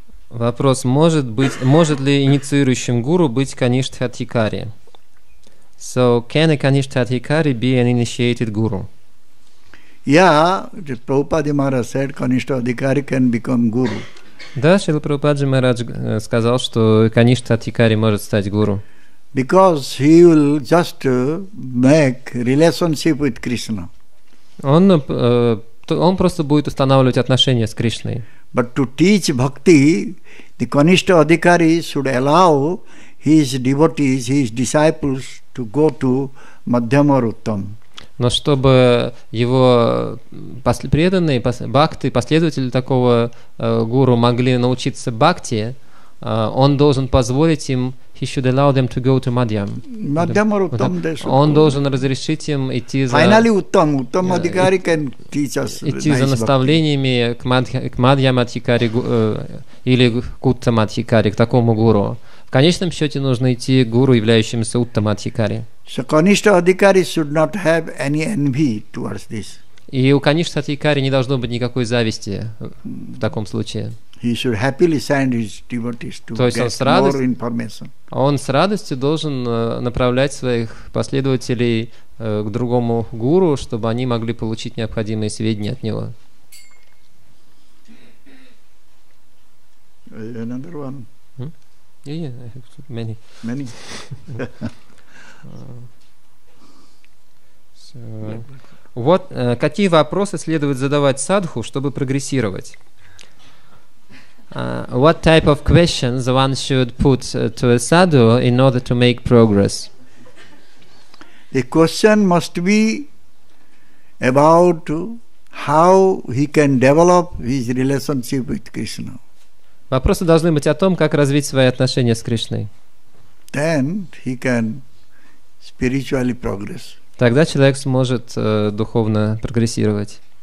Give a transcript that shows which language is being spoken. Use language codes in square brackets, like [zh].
[ru] Вопрос, может ли инициирующим гуру быть Каништа-адхикари? [en] So, can a Каништа-адхикари be an initiated guru? Yeah, Prabhupada Maharaj said Каништа-адхикари can become guru. [ru] Да, Шрила Прабхупада Махарадж сказал, что Каништа-адхикари может стать гуру. [en] Because he will just make relationship with Krishna. [ru] Он просто будет устанавливать отношения с Кришной. [en] But to teach bhakti, the Kanishta Adhikari should allow his devotees, his disciples, to go to Madhyama Ruttam. [ru] Но чтобы его преданные, бхакты, последователи такого гуру могли научиться бхакти, он должен позволить им, [en] he should allow them to go to Madhyam. Madhyama Ruttam. [ru] Он должен разрешить им идти за... [en] Finally, Uttam Adhikari can teach us nice [ru] bhakti. Идти за наставлениями к Madhyam Adhikari или к Uttam Adhikari, к такому гуру. В конечном счете нужно идти к гуру, являющемуся Uttam Adhikari. [en] So, Kanishta Adhikari should not have any envy towards this. [ru] И у Kanishta Adhikari не должно быть никакой зависти в таком случае. [en] He should happily send his devotees to get more information. [ru] Он с радостью должен направлять своих последователей к другому гуру, чтобы они могли получить необходимые сведения от него. [en] Another one. Yeah, I have many. Many. [ru] Вот какие вопросы следует задавать садху, чтобы прогрессировать? [en] What type of questions one should put to a sadhu in order to make progress? The question must be about how he can develop his relationship with Krishna. [ru] Вопросы должны быть о том, как развить свои отношения с Кришной. [en] Then he can spiritually progress. [ru] Тогда человек сможет духовно прогрессировать.